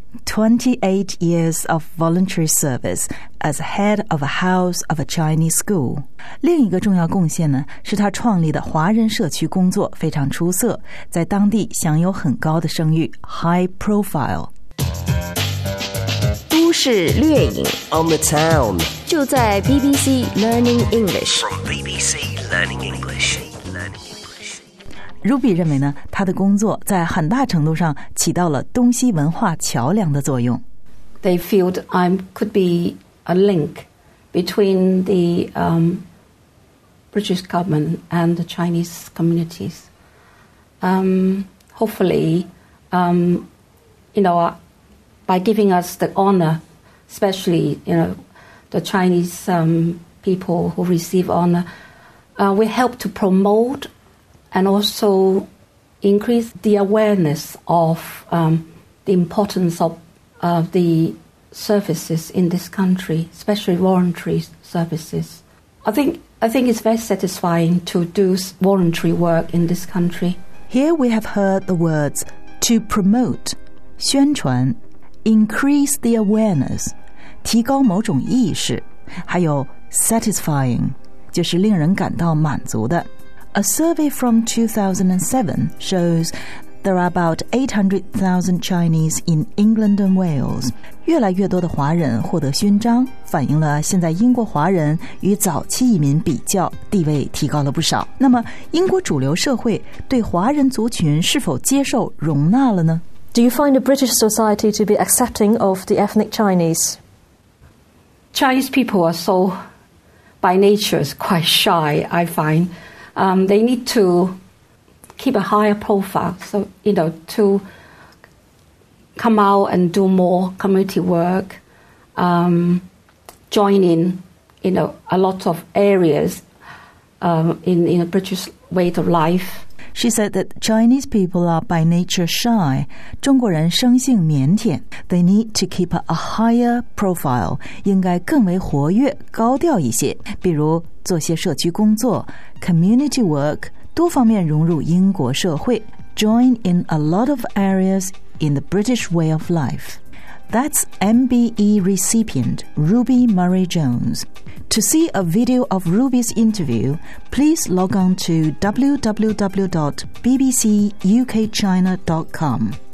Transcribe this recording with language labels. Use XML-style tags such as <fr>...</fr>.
<en>28 years of voluntary service as head of a house of a Chinese school.</en> <zh>另一个重要贡献呢，是他创立的华人社区工作非常出色，在当地享有很高的声誉 ,</zh> <en>high profile.</en> <zh>都市掠影</zh> <en>On the town</en> <zh>就在</zh> <en>BBC Learning English From BBC Learning English</en> <zh>Ruby 认为呢，他的工作在很大程度上起到了东西文化桥梁的作用。</zh> <en>They feel I could be a link between the British government and the Chinese communities. Hopefully, you know, by giving us the honor. Especially, you know, the Chinese people who receive honor, we help to promote and also increase the awareness of the importance of the services in this country, especially voluntary services. I think it's very satisfying to do voluntary work in this country. Here we have heard the words to promote,</en> <zh>宣传,</zh> <en>increase the awareness.</en> <zh>提高某种意识，还有 satisfying, 就是令人感到满足的。</zh> <en>A survey from 2007 shows there are about 800,000 Chinese in England and Wales.</en> <zh>越来越多的华人获得勋章，反映了现在英国华人与早期移民比较，地位提高了不少。那么，英国主流社会对华人族群是否接受容纳了呢？</zh> <en>Do you find the British society to be accepting of the ethnic Chinese? Chinese people are so, by nature, quite shy, I find. They need to keep a higher profile, so, you know, to come out and do more community work, join in, you know, a lot of areas, in a British way of life. She said that Chinese people are by nature shy.</en> <zh>中国人生性腼腆。</zh> <en>They need to keep a higher profile.</en> <zh>应该更为活跃，高调一些。比如做些社区工作 ，</zh> <en>community work，</en> <zh>多方面融入英国社会。</zh> <en>Join in a lot of areas in the British way of life. That's MBE recipient Ruby Murray-Jones. To see a video of Ruby's interview, please log on to www.bbcukchina.com.</en>